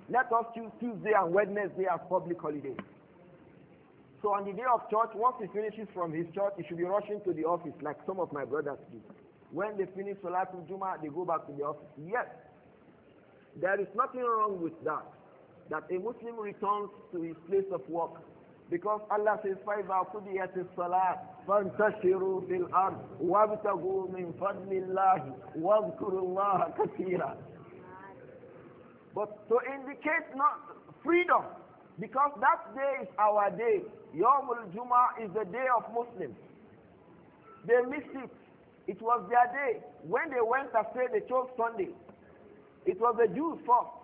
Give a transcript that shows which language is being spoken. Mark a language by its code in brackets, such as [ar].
[en] Let us choose Tuesday and Wednesday as public holidays. So on the day of church, once he finishes from his church, he should be rushing to the office like some of my brothers do. When they finish Salatul Jummah, they go back to the office. Yes, there is nothing wrong with that. That a Muslim returns to his place of work. Because Allah says, [ar] فَإِذَا قُضِيَتِ الصَّلَاةُ فَانْتَشِرُوا فِي الْأَرْضِ وَابْتَغُوا مِنْ فَضْلِ اللَّهِ وَاذْكُرُوا اللَّهَ كَثِيرًا. [en] But to indicate not freedom, because that day is our day. Yawmul Jummah is the day of Muslims. They miss it. It was their day. When they went astray, they chose Sunday. It was the Jews first.